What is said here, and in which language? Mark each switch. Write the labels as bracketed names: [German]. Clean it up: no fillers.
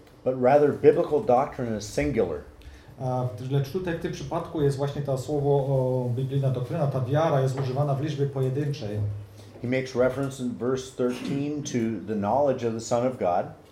[English] But rather biblical doctrine is singular. [Polish] Lecz tutaj w tym przypadku jest właśnie to słowo biblijna doktryna, ta wiara jest używana w liczbie pojedynczej. [English] He makes reference in verse 13 to the knowledge of the Son of God.